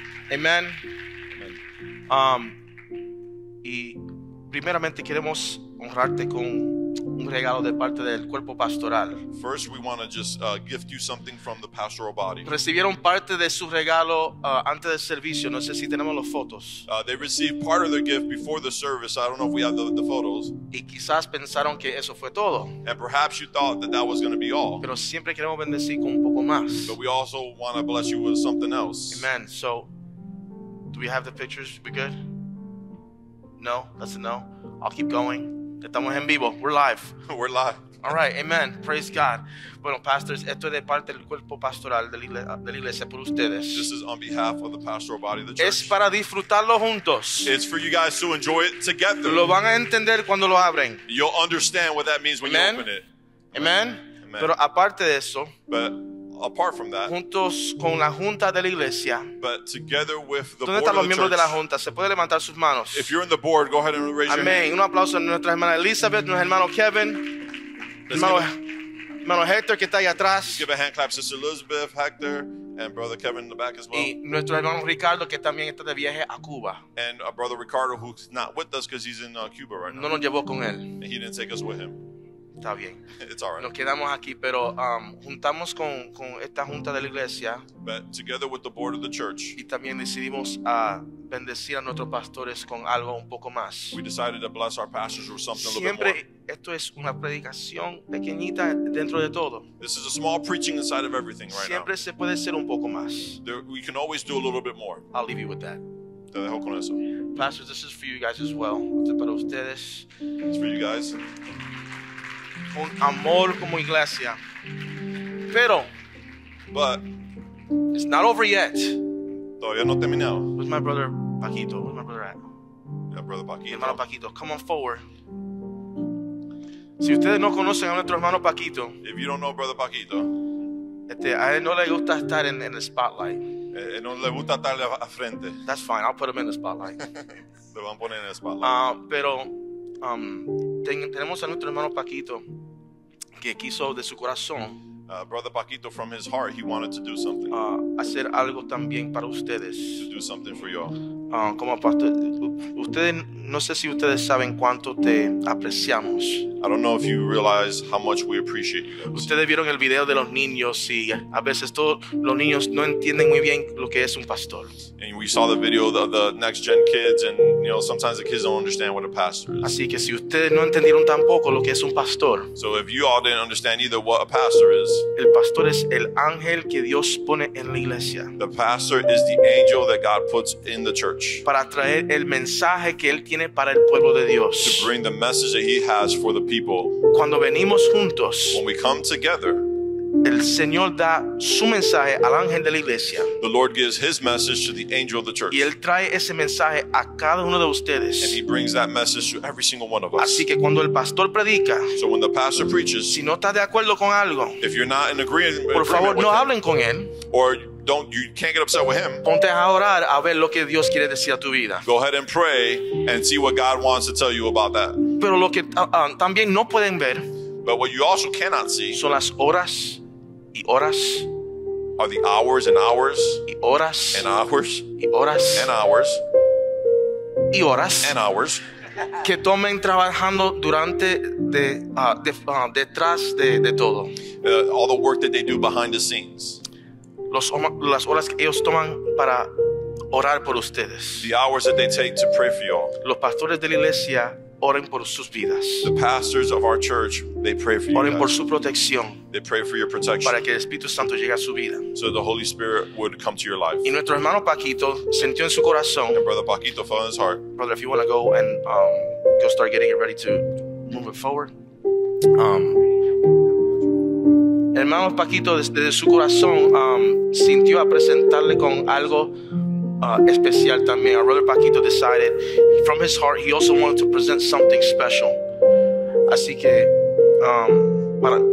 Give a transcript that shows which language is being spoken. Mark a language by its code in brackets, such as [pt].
[en] Amen. [es] Y primeramente queremos honrarte con un regalo de parte del cuerpo pastoral. [en] First, we want to just gift you something from the pastoral body. [es] Recibieron parte de su regalo antes del servicio. No sé si tenemos las fotos. [en] They received part of their gift before the service. I don't know if we have the photos. [es] Y quizás pensaron que eso fue todo. [en] And perhaps you thought that was going to be all. [es] Pero siempre queremos bendecir con un poco más. [en] But we also want to bless you with something else. Amen. So, do we have the pictures? We good? No? That's a no? I'll keep going. [es] Estamos en vivo. [en] We're live. We're live. All right. Amen. Praise God. [es] Bueno, pastors, esto es de parte del cuerpo pastoral de la iglesia por ustedes. [en] This is on behalf of the pastoral body of the church. [es] Es para disfrutarlo juntos. [en] It's for you guys to enjoy it together. [es] Lo van a entender cuando lo abren. [en] You'll understand what that means when Amen. You open it. Amen. Amen. [es] Pero aparte de eso, [en] but apart from that, [es] juntos con la junta de la iglesia, [en] but together with the [es] ¿dónde están [en] board [es] los miembros [en] church, [es] de la junta? Se puede levantar sus manos. [en] If you're in the board, go ahead and raise Amen. Your hand. [es] Un aplauso a nuestra hermana Elizabeth, nuestro hermano Kevin, hermano Hector que está ahí atrás. [en] Give a hand clap, Sister Elizabeth, Hector, and Brother Kevin in the back as well. [es] Y nuestro hermano Ricardo que también está de viaje a Cuba. [en] And a brother Ricardo who's not with us because he's in Cuba right now. [es] No nos llevó con él. [en] And he didn't take us with him. [es] Está bien. [en] It's all right. [es] Nos quedamos aquí, pero juntamos con esta junta de la iglesia. [en] But together with the board of the church. [es] Y también decidimos a bendecir a nuestros pastores con algo un poco más. [en] We decided to bless our pastors with something [es] Siempre, [en] a little bit more. [es] Esto es una predicación pequeñita dentro de todo. [en] This is a small preaching inside of everything right [es] Siempre [en] now. [es] Siempre se puede hacer un poco más. [en] There, we can always do a little bit more. I'll leave you with that. [es] Te dejo con eso. [en] Pastors, this is for you guys as well. [es] Esto es para ustedes. [en] It's for you guys. [es] Un amor como iglesia. Pero, [en] but it's not over yet. [es] Todavía no terminado. [en] Where's my brother Paquito? Where's my brother at? Yeah, brother Paquito. [es] Hermano Paquito, [en] come on forward. [es] Si ustedes no conocen a nuestro hermano Paquito, [en] if you don't know brother Paquito, [es] a él no le gusta estar en el spotlight. No le gusta estar a frente. [en] That's fine. I'll put him in the spotlight. [es] Lo van a poner en el spotlight. Pero tenemos a nuestro hermano Paquito que quiso de su corazón [en] brother Paquito from his heart he wanted to do something [es] hacer algo también para ustedes [en] to do something for y'all [es] como pastor ustedes no sé si ustedes saben cuánto te apreciamos. [en] I don't know if you realize how much we appreciate you guys. [es] Ustedes vieron el video de los niños y a veces todos los niños no entienden muy bien lo que es un pastor. [en] And we saw the video of the next gen kids and you know sometimes the kids don't understand what a pastor is. [es] Así que si ustedes no entendieron tampoco lo que es un pastor. [en] So if you all didn't understand either what a pastor is. [es] El pastor es el ángel que Dios pone en la iglesia. [en] The pastor is the angel that God puts in the church. [es] Para traer el mensaje que él tiene para el pueblo de Dios. [en] To bring the message that he has for the people. [es] Cuando venimos juntos, [en] when we come together, [es] el Señor da su mensaje al ángel de la iglesia. [en] The Lord gives his message to the angel of the church. [es] Y él trae ese mensaje a cada uno de ustedes. [en] And he brings that message to every single one of us. [es] Así que cuando el pastor predica, [en] so when the pastor preaches, [es] si no está de acuerdo con algo, [en] if you're not in agreement, [es] por favor, [en] with [es] no [en] him, [es] hablen con él. [en] Or don't you can't get upset with him. [es] Ponte a orar a ver lo que Dios quiere decir a tu vida. [en] Go ahead and pray and see what God wants to tell you about that. [es] Pero lo que también no pueden ver, [en] but what you also cannot see, [es] son las horas y horas, [en] are the hours and hours, [es] y horas [en] and hours, [es] y horas [en] and hours, [es] y horas [en] and hours, [es] que tomen trabajando durante detrás de todo. [en] All the work that they do behind the scenes. [es] Las horas que ellos toman para orar por ustedes. [en] The hours that they take to pray for you all. [es] Los pastores de la iglesia oren por sus vidas. [en] The pastors of our church, they pray for you. [es] Oren [en] guys. [es] Por su protección. [en] They pray for your protection. [es] Para que el Espíritu Santo llegue a su vida. [en] So the Holy Spirit would come to your life. [es] Y nuestro hermano Paquito sintió en su corazón. [en] And brother Paquito felt in his heart. Brother, if you want to go and go start getting it ready to move it forward. [es] Hermano Paquito desde su corazón sintió a presentarle con algo especial también. [en] Our brother Paquito decided from his heart he also wanted to present something special. [es] Así que para